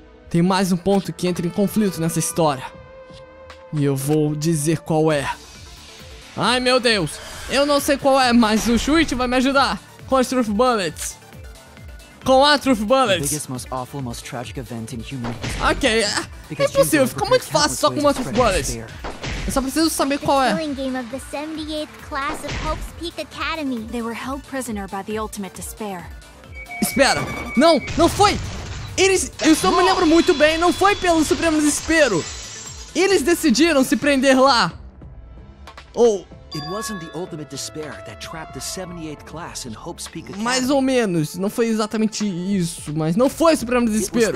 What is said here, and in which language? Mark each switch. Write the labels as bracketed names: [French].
[Portuguese] Tem mais um ponto que entra em conflito nessa história. E eu vou dizer qual é. Ai, meu Deus! Eu não sei qual é, mas o chute vai me ajudar. Com as Truth Bullets. Com a Truth Bullets. [English] The biggest, most awful, most tragic event in human history. [Portuguese] Ok, é impossível. Fica muito fácil só com uma Truth Bullets. Eu só preciso saber qual é. [English] The killing game of the 78th class of Hope's Peak Academy. They were held prisoner by the ultimate despair. [Portuguese] Espera! Não! Não foi! Eles... Eu só me lembro muito bem, não foi pelo Supremo Desespero! Eles decidiram se prender lá! Ou... Oh. [English] It wasn't the ultimate despair that trapped the 78th class in Hope's Peak Academy. [Portuguese] Mais ou menos, não foi exatamente isso, mas não foi o Supremo Desespero!